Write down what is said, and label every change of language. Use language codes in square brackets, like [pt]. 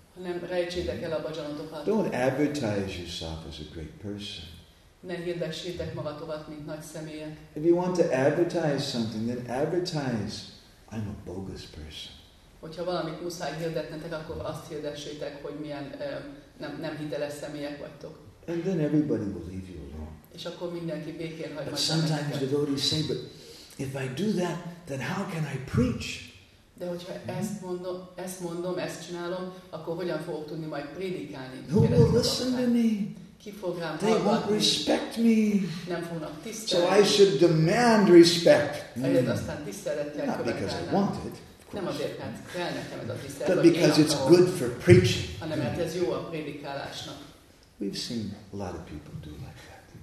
[hu] Nem rejtsétek el a bhajanotokat. [en] Don't advertise yourself as a great person. [hu] Ne hirdessétek magatokat, mint nagy személyek. [en] If you want to advertise something, then advertise, I'm a bogus person. [hu] Hogyha valamit muszáj hirdetnetek, akkor azt hirdessétek, hogy milyen nem hiteles személyek vagytok. [en] And then everybody will leave you alone. [hu] És akkor mindenki békén hagy. [en] But sometimes the devotees say, but if I do that, then how can I preach? [hu] De hogyha ezt mondom, ezt csinálom, akkor hogyan fogok tudni majd prédikálni? [en] Who will listen to me? [hu] ki fog rám hallgatni. [en] They won't respect me. [hu] Nem fognak tisztelni. [en] So I should demand respect. [hu] Ezért aztán tiszteletet kell. [en] Not because I want it. [hu] Nem azért, mert kell nekem ez a tisztelet. [en] But because it's good for preaching. [hu] Hanem mert ez jó a prédikálásnak. [en] We've seen a lot of people do like that.